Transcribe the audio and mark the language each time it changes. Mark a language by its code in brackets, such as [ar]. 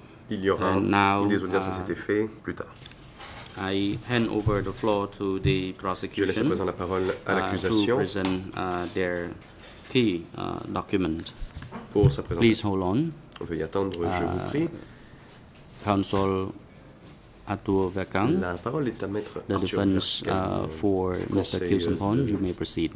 [fr] Il y aura des audiences à cet effet plus tard. [en] I hand over the floor to the prosecution. [fr] Je laisse à présent la parole à l'accusation. [en] To present their key document. [fr] Pour sa présentation. [en] Please hold on. [fr] Veuillez attendre, je vous prie. [en] Counsel Arthur Vercan. [fr] La parole est à maître [en] the Arthur Vercan. The defense for Mr. Kieu Sompong. You may proceed.